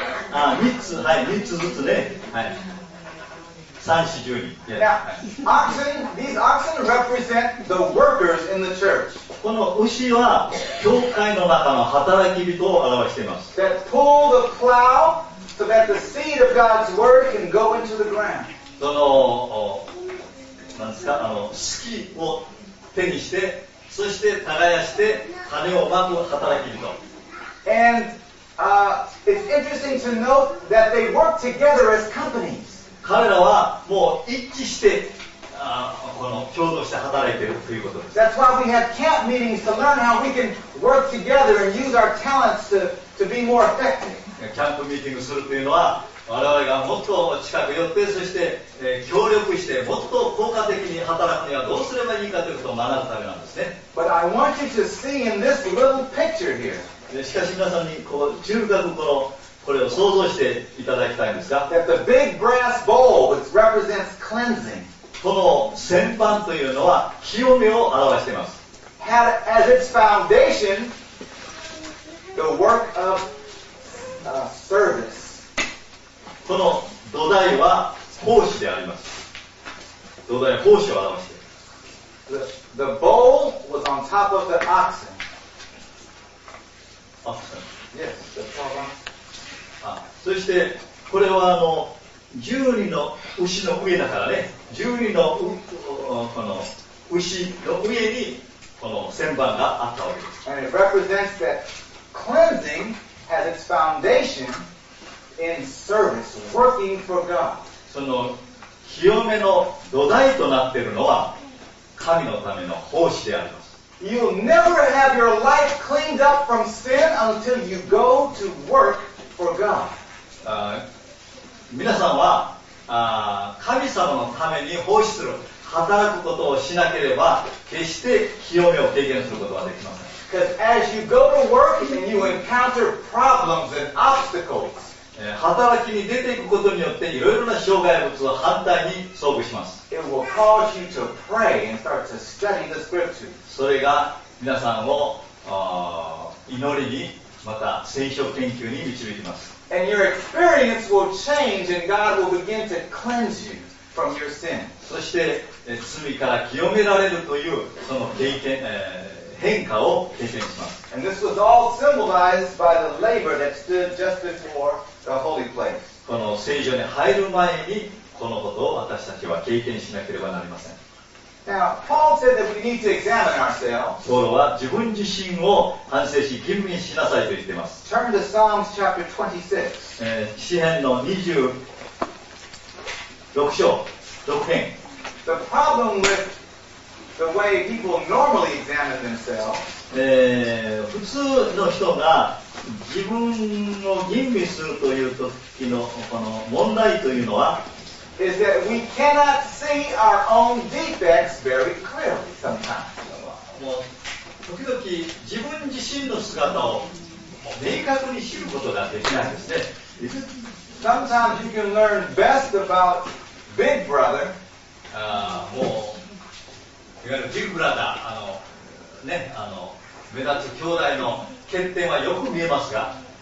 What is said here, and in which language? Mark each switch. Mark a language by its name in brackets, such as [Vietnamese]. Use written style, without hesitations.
[Japanese] ああ、三つ、はい、三つずつね、はい。三四十人。Yeah. [English] Now, oxen, these oxen represent the workers in the church. [Japanese] この牛は教会の中の働き人を表しています。 [English] That pull the plow so that the seed of God's word can go into the ground. [Japanese] その、何ですか、すきを手にして、そして耕して種をまく働き人。 [English] And, it's interesting to note that they work together as companies. [Japanese] 彼らはもう一致して、この共同して働いているということです。 [English] That's why we have camp meetings to learn how we can work together and use our talents to be more effective. [Japanese] キャンプミーティングするというのは、我々がもっと近く寄って、そして、協力して、もっと効果的に働くにはどうすればいいかということを学ぶためなんですね。 [English] But I want you to see in this little picture here. [Japanese] しかし皆さんに、こう、中学この、これを想像していただきたいんですが、 [English] That the big brass bowl which represents cleansing, [Japanese] この旋盤というのは清めを表しています。 [English] Had as its foundation the work of service. [Japanese] この土台は奉仕であります。土台は奉仕を表しています。 [English] The bowl was on top of the oxen. Oxen. Yes, the top oxen. [Japanese] そしてこれは10人の牛の上だからね、10人 の, この牛の上にこの旋盤があったわけです。 [English] And it represents that cleansing has its foundation in service, working for God. [Japanese] その清めの土台となっているのは神のための奉仕であります。 [English] You'll never have your life cleaned up from sin until you go to workFor God. [Japanese] 皆さんは神様のために奉仕する働くことをしなければ決して清めを経験することはできません。 [English] Because as you go to work and you encounter problems and obstacles, [Japanese] 働きに出ていくことによっていろいろな障害物を反対に遭遇します。 [English] It will cause you to pray and start to study the scriptures. [Japanese] それが皆さんを祈りにまた聖書研究に導きます。 [English] And your experience will change and God will begin to cleanse you from your sin. [Japanese] そして罪から清められるというその経験、変化を経験します。 [English] And this was all symbolized by the labor that stood just before the holy place. [Japanese] この聖所に入る前にこのことを私たちは経験しなければなりません。 [English] Now, Paul said that we need to examine ourselves. [Japanese] ポールは自分自身を反省し、吟味しなさいと言っています。 [English] Turn to Psalms chapter 26. [Japanese] 詩編の26章、6編。 [English] The problem with the way people normally examine themselves. [Japanese] 普通の人が自分を吟味するという時のこの問題というのは、 [English] is that we cannot see our own defects very clearly sometimes. [Japanese] もう時々自分自身の姿を明確に知ることができないですね。 [English] Sometimes you can learn best about Big Brother. [Japanese] もういわゆるビッグブラザー、目立つ兄弟の欠点はよく見えますが、